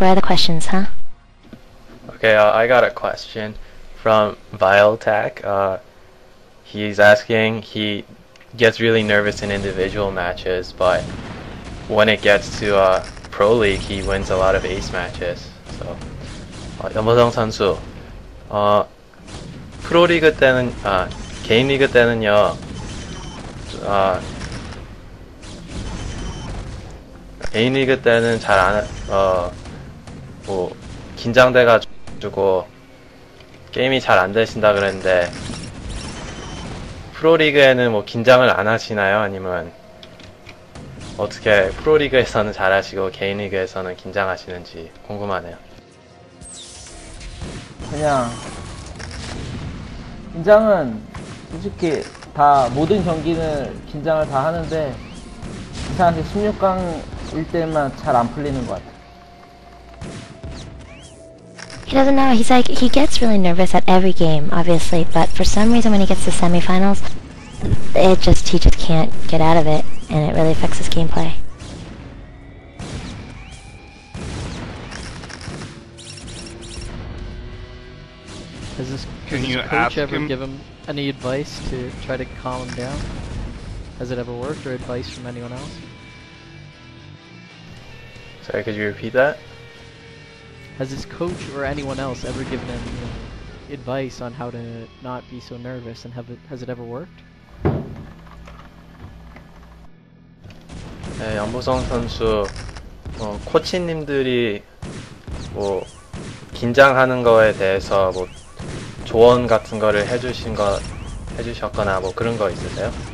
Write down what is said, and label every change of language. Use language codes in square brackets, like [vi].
[en] Where are the questions, huh? Okay, I got a question from Viletech. He's asking, he gets really nervous in individual matches, but when it gets to Pro League, he wins a lot of ace matches. [ko] So, Yum Bosung 선수, 프로 리그 때는, 개인 리그 때는요, 개인 리그 때는 잘 안, 뭐, 긴장돼가지고, 게임이 잘 안 되신다 그랬는데, 프로 리그에는 뭐, 긴장을 안 하시나요? 아니면, 어떻게 프로 리그에서는 잘 하시고, 개인 리그에서는 긴장하시는지 궁금하네요. 그냥, 긴장은, 솔직히, 다, 모든 경기는 긴장을 다 하는데, 이상한데, 16강, 일대만 잘 안 풀리는 것 같아. [en] He doesn't know. He's like he gets really nervous at every game, obviously. But for some reason, when he gets to semifinals, it just he just can't get out of it, and it really affects his gameplay. 'Has this coach ever give him any advice to try to calm him down? Has it ever worked, or advice from anyone else? Sorry, could you repeat that? Has his coach or anyone else ever given him advice on how to not be so nervous, and has it ever worked? [ko] 네, 양보성 선수 코치님들이 뭐 긴장하는 거에 대해서 뭐 조언 같은 거를 해주셨거나 뭐 그런 거 있으세요?